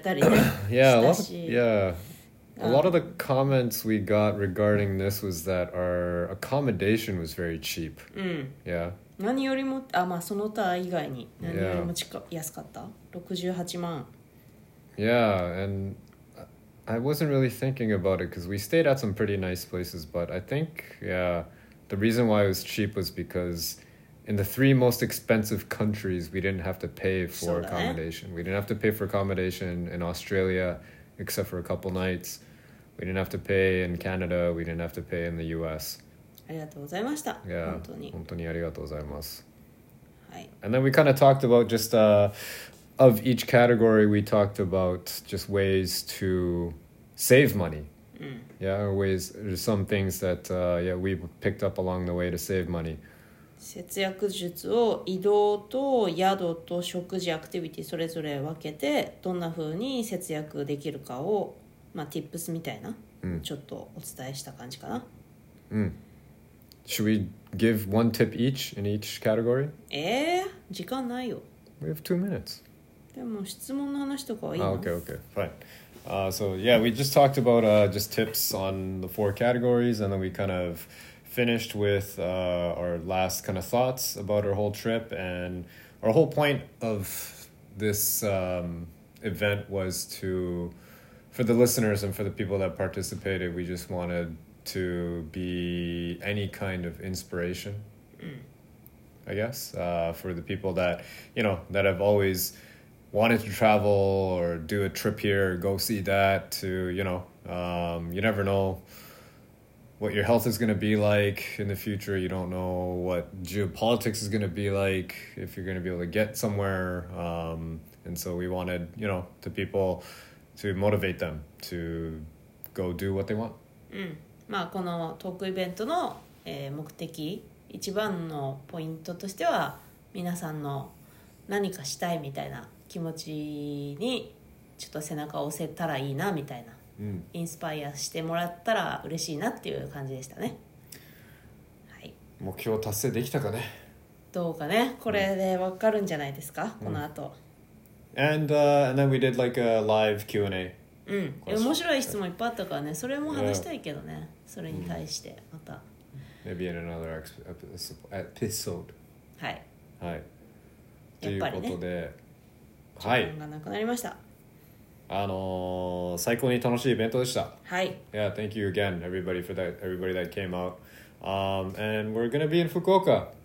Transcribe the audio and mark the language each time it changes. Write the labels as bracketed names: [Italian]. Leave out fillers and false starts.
[English] A lot of the comments we got regarding this was that our accommodation was very cheap. Yeah. [Japanese] 何よりも、あ、まあ、その他以外に何よりも安かった、68万。 [English] Yeah, and I wasn't really thinking about it because we stayed at some pretty nice places, but I think, yeah, the reason why it was cheap was because in the three most expensive countries, we didn't have to pay for accommodation. We didn't have to pay for accommodation in Australia, except for a couple nights. We didn't have to pay in Canada. We didn't have to pay in the US. [Japanese] ありがとうございました。本当にありがとうございます。はい。 [English] And then we kind of talked about just of each category, we talked about just ways to save money. Yeah, or ways, there's some things that we picked up along the way to save money. [Japanese] 節約術を移動と宿と食事アクティビティそれぞれ分けてどんな風に節約できるかをまあ tips みたいな、ちょっとお伝えした感じかな。うん。 [English] Should we give one tip each in each category? [Japanese] 時間ないよ。 [English] We have 2 minutes. [Japanese] でも質問の話とかはいいの？ [English] Ah, okay, okay, fine. So yeah, we just talked about just tips on the 4 categories, and then we kind of finished with our last kind of thoughts about our whole trip. And our whole point of this event was to, for the listeners and for the people that participated, we just wanted to be any kind of inspiration, I guess, for the people that, you know, that have always wanted to travel or do a trip here or go see that, to, you know, you never know what your health is going to be like in the future. You don't know what geopolitics is going to be like, if you're going to be able to get somewhere. And so we wanted, you know, to people to motivate them to go do what they want. [Japanese] まあ、このトークイベントの目的、一番のポイントとしては、皆さんの何かしたいみたいな気持ちにちょっと背中を押せたらいいなみたいな、 mm. インスパイアしてもらったら嬉しいなっていう感じでしたね、はい、目標達成できたかね、どうかね、これで分かるんじゃないですか、mm. この後、 [English] and then we did like a live Q&A。 [Japanese] うん、面白い質問いっぱいあったからね、それも話したいけどね、yeah. それに対してまた [English] Maybe in another episode. [Japanese] はい、はい、やっぱりね、ということで、時間がなくなりました、はい、最高に楽しいイベントでした、はい、 [English] Yeah, thank you again everybody for that, everybody that came out、and we're gonna be in Fukuoka、